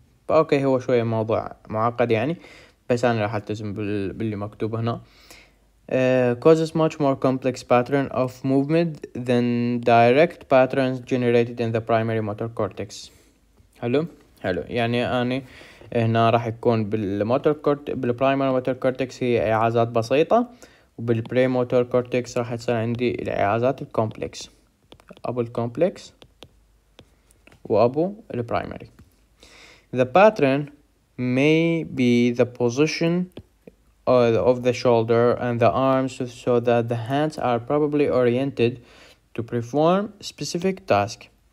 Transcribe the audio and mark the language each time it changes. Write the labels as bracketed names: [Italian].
[Arabic] اوكي هو شوية موضوع معقد يعني، بس انا راح التزم باللي مكتوب هنا. [English] Causes much more complex pattern of movement than direct patterns generated in the primary motor cortex. [Arabic] حلو يعني أنا هنا راح يكون بالموتور كورت بالبرايمري موتور كورتكس هي إعازات بسيطة، وبالبري موتور كورتكس راح تصير عندي الإعازات الكومبلكس، أبو الكومبلكس وأبو البرايمري. [English] The pattern may be the position of the shoulder and the arms so that the hands are probably oriented to perform specific task.